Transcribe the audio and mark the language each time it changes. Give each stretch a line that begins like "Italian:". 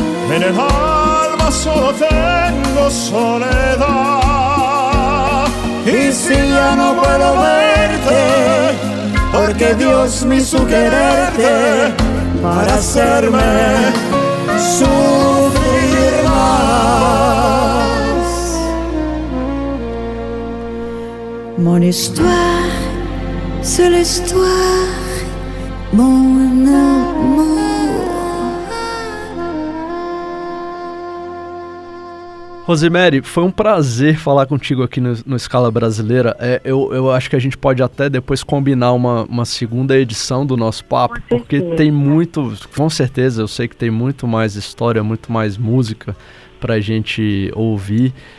Spanish: En el alma solo tengo soledad. Y si ya no puedo verte, porque Dios me hizo quererte para hacerme sufrir más.
French: Mon histoire, c'est l'histoire, mon amour.
Portuguese: Rosemary, foi um prazer falar contigo aqui no Escala Brasileira. Eu acho que a gente pode até depois combinar uma segunda edição do nosso papo, porque tem muito, com certeza, eu sei que tem muito mais história, muito mais música pra gente ouvir.